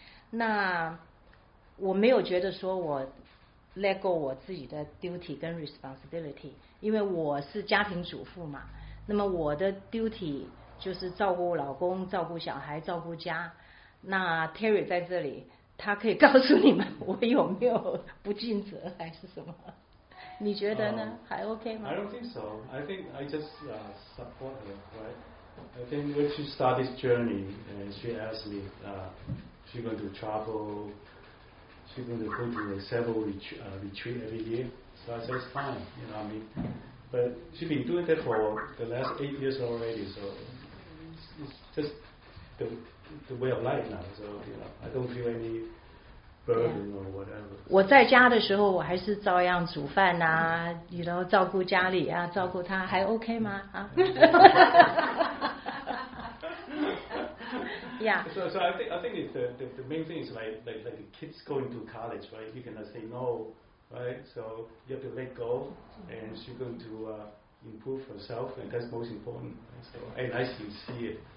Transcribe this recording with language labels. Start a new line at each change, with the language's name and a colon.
Chinese: 那我没有觉得说我
English: let go
Chinese: 我自己的 duty 跟 responsibility， 因为我是家庭主妇嘛，那么我的 duty 就是照顾老公、照顾小孩、照顾家。那 Terry 在这里，他可以告诉你们我有没有不尽责还是什么？你觉得呢？还 OK 吗
English: ？I don't think so. I think I just support her, right? I think when she started this journey and she asked me, she going to travel. She's going to go to a several retreat every year. So I said, it's fine, you know what I mean? But she's been doing that for the last 8 years already, so it's just the way of life now. So, you know, I don't feel any burden or whatever.
Chinese: 我在家的时候我还是照样煮饭啊，你都照顾家里啊，照顾他，还 OK 吗？啊？
English: Yeah. So I think it's the main thing is like the kids going to college, right? You cannot say no, right? So you have to let go, and she's going to improve herself, and that's most important. So and I can see it.